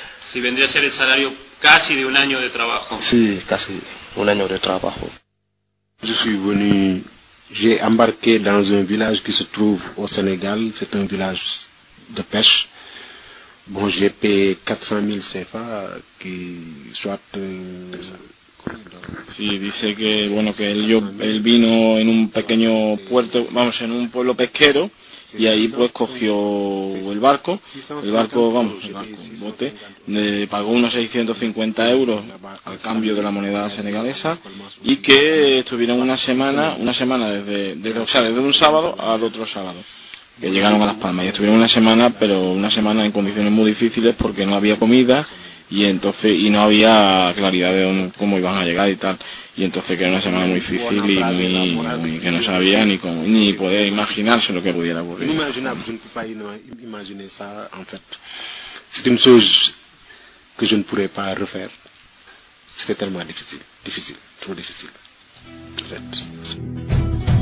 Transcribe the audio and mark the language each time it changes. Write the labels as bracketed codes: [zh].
[es] si vendría a ser el salario casi de un año de trabajo. Sí, casi un año de trabajo. [fr] Je suis venu, j'ai embarqué dans un village qui se trouve au Sénégal, c'est un village de pêche. Bon, j'ai payé 400 000 CFA qui soit [es] Sí, dice que bueno que él vino en un pequeño puerto, vamos, en un pueblo pesquero, y ahí pues cogió el bote, le pagó unos 650 euros al cambio de la moneda senegalesa, y que estuvieron una semana desde un sábado al otro sábado, que llegaron a Las Palmas, y estuvieron una semana, pero una semana en condiciones muy difíciles porque no había comida. Y no había claridad de cómo iban a llegar y tal. Y entonces que era una semana muy difícil y muy que no sabía ni poder imaginarse lo que pudiera ocurrir. [fr] Inimaginable, je ne peux pas imaginer ça, en fait. C'est une chose que je ne pourrais pas refaire. C'était tellement difficile, difficile, trop difficile, en fait.